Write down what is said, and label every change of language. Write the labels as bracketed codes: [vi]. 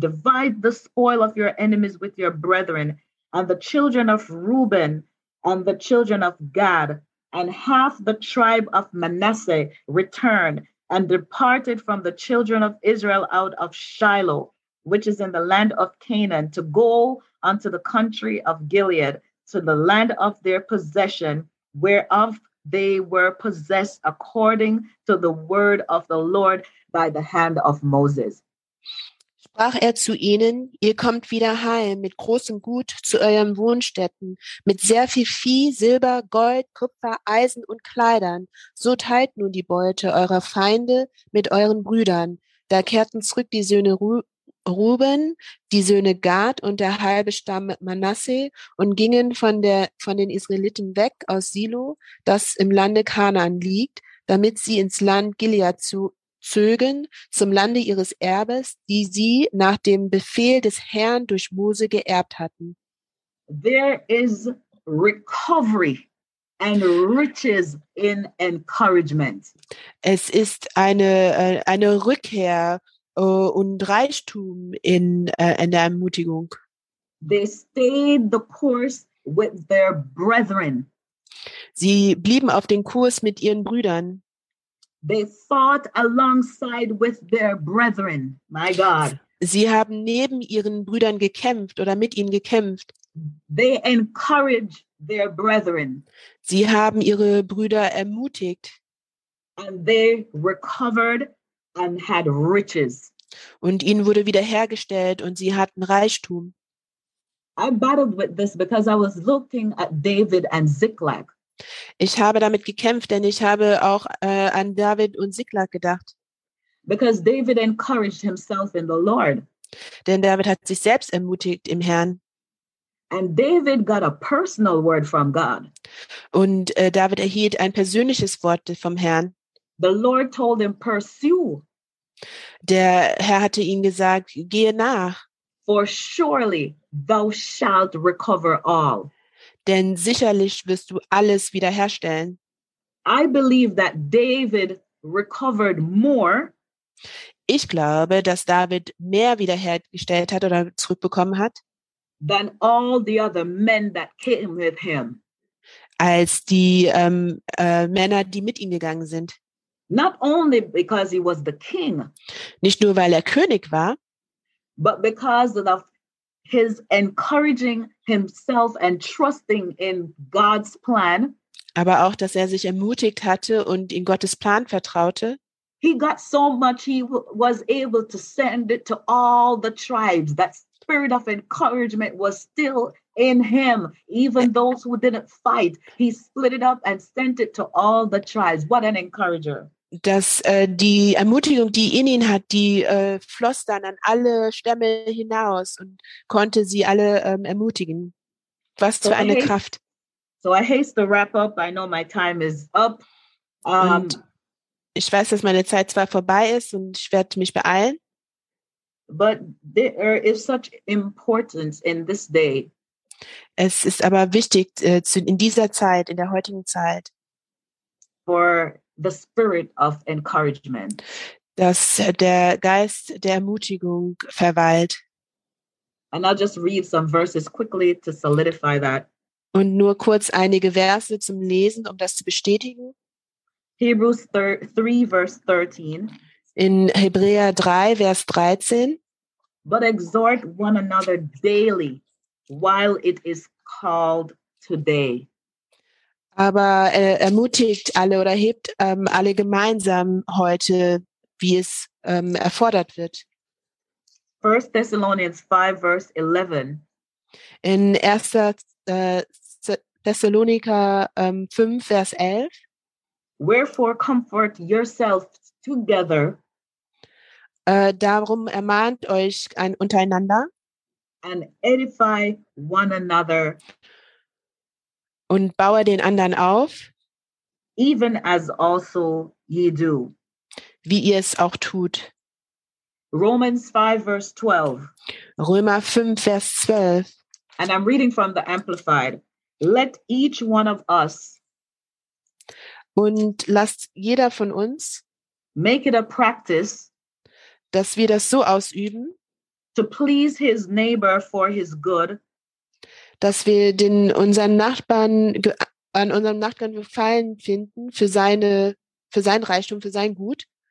[en] Divide the spoil of your enemies with your brethren, and the children of Reuben, and the children of Gad, and half the tribe of Manasseh return, and departed from the children of Israel out of Shiloh, which is in the land of Canaan, to go unto the country of Gilead, to the land of their possession, whereof they were possessed according to the word of the Lord by the hand of Moses. [de] Sprach er zu ihnen, ihr kommt wieder heim mit großem Gut zu euren Wohnstätten, mit sehr viel Vieh, Silber, Gold, Kupfer, Eisen und Kleidern. So teilt nun die Beute eurer Feinde mit euren Brüdern. Da kehrten zurück die Söhne Ruben, die Söhne Gad und der halbe Stamm Manasseh und gingen von den Israeliten weg aus Silo, das im Lande Kanaan liegt, damit sie ins Land Gilead zögen, zum Lande ihres Erbes, die sie nach dem Befehl des Herrn durch Mose geerbt hatten. [en] There is recovery and riches in encouragement. [de] Es ist eine Rückkehr und Reichtum in der Ermutigung. [en] They stayed the course with their brethren. [de] Sie blieben auf den Kurs mit ihren Brüdern. [en] They fought alongside with their brethren. My God. [de] Sie haben neben ihren Brüdern gekämpft oder mit ihnen gekämpft. [en] They encouraged their brethren. [de] Sie haben ihre Brüder ermutigt. [en] And they recovered and had riches. [de] Und ihnen wurde wiederhergestellt und sie hatten Reichtum. [en] I battled with this because I was looking at David and Ziklag. [de] Ich habe damit gekämpft, denn ich habe auch an David und Ziklag gedacht. [en] Because David encouraged himself in the Lord. [de] Denn David hat sich selbst ermutigt im Herrn. [en] And David got a personal word from God. [de] Und David erhielt ein persönliches Wort vom Herrn. [en] The Lord told him, pursue. [de] Der Herr hatte ihm gesagt, gehe nach. [en] For surely thou shalt recover all. [de] Denn sicherlich wirst du alles wiederherstellen. [en] I believe that David recovered more. [de] Ich glaube, dass David mehr wiederhergestellt hat oder zurückbekommen hat. [en] Than all the other men that came with him. [de] Als die Männer, die mit ihm gegangen sind. [en] Not only because he was the king, [de] nicht nur weil König war, [en] but because of his encouraging himself and trusting in God's plan, [de] aber auch dass sich ermutigt hatte und in Gottes Plan vertraute. [en] He got so much, he was able to send it to all the tribes. That spirit of encouragement was still in him, even those who didn't fight. He split it up and sent it to all the tribes. What an encourager. [de] Dass die Ermutigung, die in ihn hat, die floss dann an alle Stämme hinaus und konnte sie alle ermutigen. Was für eine Kraft. [en] So I haste to wrap up. I know my time is up. [de] Und ich weiß, dass meine Zeit zwar vorbei ist und ich werde mich beeilen. [en] But there is such importance in this day. [de] Es ist aber wichtig in dieser Zeit, in der heutigen Zeit. [en] For the spirit of encouragement. [de] Dass der Geist der Ermutigung verweilt. [en] And I'll just read some verses quickly to solidify that. [de] Und nur kurz einige Verse zum Lesen, um das zu bestätigen. [en] Hebrews 3, verse 13. [de] In Hebräer 3, Vers 13. [en] But exhort one another daily, while it is called today. [de] Aber ermutigt alle oder hebt alle gemeinsam heute, wie es erfordert wird. [en] 1 Thessalonians 5, verse 11. [de] In 1. Thessaloniker 5, Vers 11. [en] Wherefore comfort yourselves together. [de] Darum ermahnt euch untereinander. [en] And edify one another. [de] und baue den anderen auf, [en] even as also ye do, [de] wie ihr es auch tut. [en] Romans 5, verse 12. [de] Römer 5, Vers 12. [en] And I'm reading from the Amplified. Let each one of us, [de] und lasst jeder von uns, [en] make it a practice, [de] dass wir das so ausüben, [en] to please his neighbor for his good, [de] dass wir den unseren Nachbarn an unserem Nachbarn gefallen finden für sein Reichtum, für sein Gut,